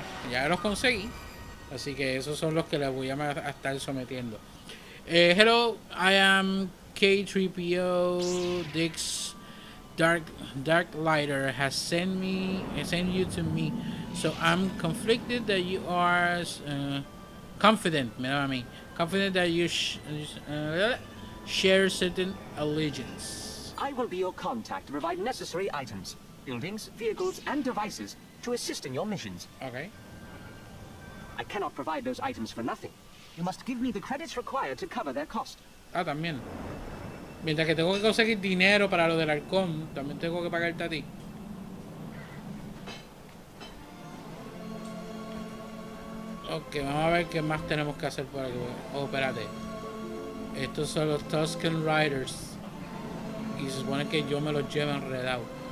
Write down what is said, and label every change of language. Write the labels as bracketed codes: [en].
[es] Ya los conseguí, así que esos son los que les voy a estar sometiendo. [en] Hello, I am K3PO. Dick's Darklighter has sent you to me, so I'm conflicted that you are confident. [es] Mira a mí, [en] confident that you share certain allegiance. I will be your contact to provide necessary items, buildings, vehicles, and devices to assist in your missions. Okay. I cannot provide those items for nothing. You must give me the credits required to cover their cost. [es] Ah, también. Mientras que tengo que conseguir dinero para lo del halcón, también tengo que pagarte a ti. Ok, vamos a ver qué más tenemos que hacer por aquí. Oh, espérate. Estos son los Tusken Riders. Y se supone que yo me los llevo enredado.